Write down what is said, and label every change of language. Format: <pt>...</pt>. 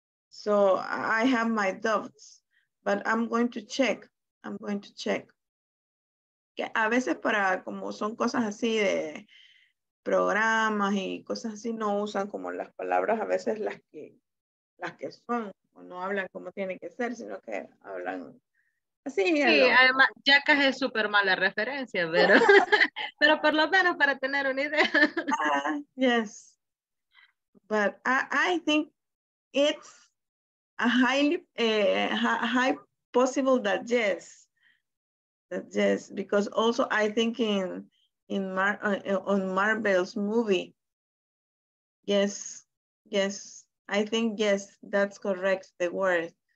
<en>So I have my doubts, but I'm going to check.</en> <es>A veces para como son cosas así de programas y cosas así, no usan como las palabras a veces las que son, o no hablan como tiene que ser, sino que hablan. Sí, además, Yacas es súper mala referencia, pero, pero por lo menos para tener una idea.</es> <en>Yes, but I think it's a high possible that yes, because also I think in Marvel's movie, yes, I think yes, that's correct, the word.</en>